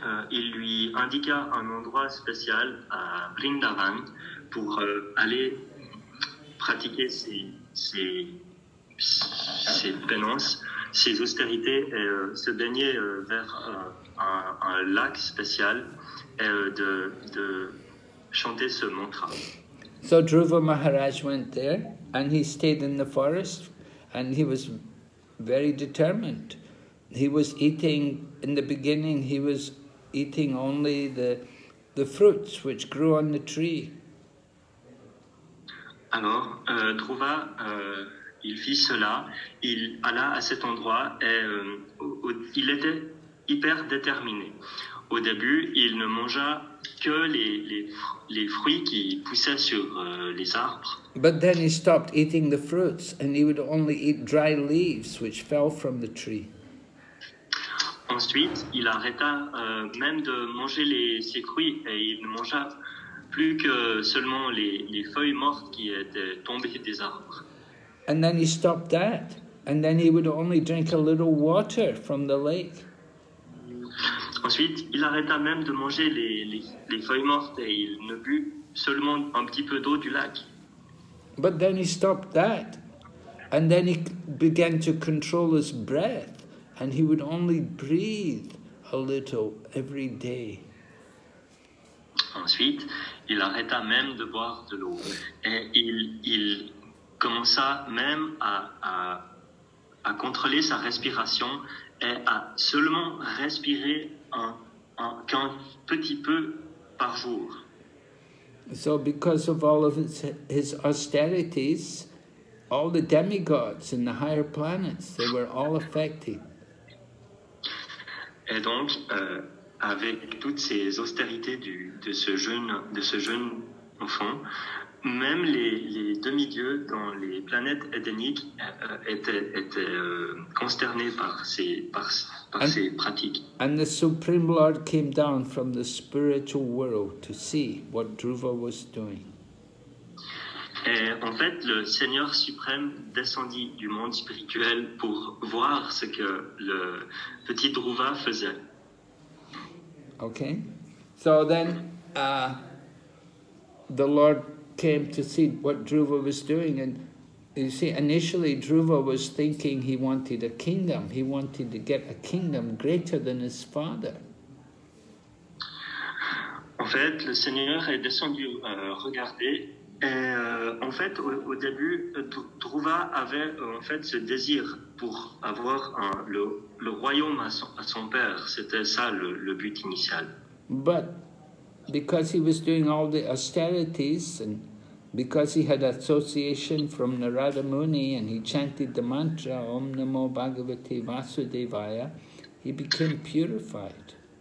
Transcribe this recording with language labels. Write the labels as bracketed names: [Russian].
[French] Il lui indiqua un endroit spécial à Vrindavan pour aller pratiquer ses pénances, ses austérités, et se baigner vers un lac spécial et de chanter ce mantra. [English] So Dhruva Maharaj went there and he stayed in the forest and he was very determined. He was eating, in the beginning, he was eating only the fruits which grew on the tree. [French] Alors, Dhruva, il fit cela, il alla à cet endroit et il était hyper déterminé. Au début, il ne mangea que les fruits qui poussaient sur les arbres. [English] But then he stopped eating the fruits and he would only eat dry leaves which fell from the tree. [French] Ensuite, il arrêta même de manger ses fruits et il ne mangea plus que seulement les feuilles mortes qui étaient tombées des arbres. [English] And then he stopped that. And then he would only drink a little water from the lake. [French] Ensuite, il arrêta même de manger les feuilles mortes et il ne but seulement un petit peu d'eau du lac. [English] But then he stopped that. And then he began to control his breath. And he would only breathe a little every day. [French] Ensuite, il arrêta même de boire de l'eau et il commença même à contrôler sa respiration et à seulement respirer qu'un petit peu par jour. [English] So because of all of his austerities, all the demigods in the higher planets, they were all affected. [French] Et donc, avec toutes ces austérités de ce jeune enfant, même les demi-dieux dans les planètes édéniques étaient consternés par ces pratiques. [English] And the Supreme Lord came down from the spiritual world to see what Dhruva was doing. [French] Et en fait, le Seigneur suprême descendit du monde spirituel pour voir ce que le petit Dhruva faisait. [English] Okay, so then the Lord came to see what Dhruva was doing, and you see, initially Dhruva was thinking he wanted a kingdom. He wanted to get a kingdom greater than his father. [French] En fait, le Seigneur est descendu regarder. Et en fait, au début, Dhruva avait en fait ce désir pour avoir le royaume à son père. C'était ça le but initial. [English] But because he was doing all the austerities and because he had association from Narada Muni and he chanted the mantra Om Namo Bhagavate Vasudevaya, he became purified.